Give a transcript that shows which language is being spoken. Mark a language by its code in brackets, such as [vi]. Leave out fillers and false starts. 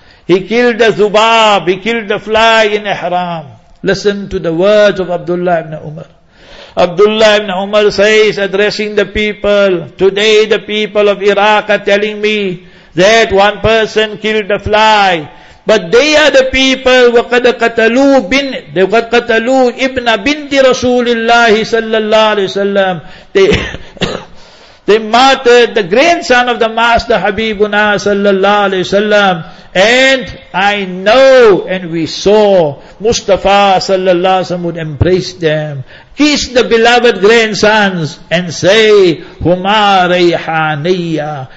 [en] He killed the zubab, he killed the fly in ihram. Listen to the words of Abdullah ibn Umar. Abdullah ibn Umar says, addressing the people, today the people of Iraq are telling me that one person killed the fly. But they are the people, [ar] وَقَدْ قَتَلُوا بِنْ وَقَدْ قَتَلُوا إِبْنَ بِنْتِ رَسُولِ اللَّهِ صَلَّى اللَّهِ عَلَيْهِ وَسَلَّمَ. [en] They martyred the grandson of the master Habibuna sallallahu alayhi wa sallam. And I know and we saw Mustafa sallallahu alayhi wa sallam would embrace them, kiss the beloved grandsons and say, Huma rayhaniya.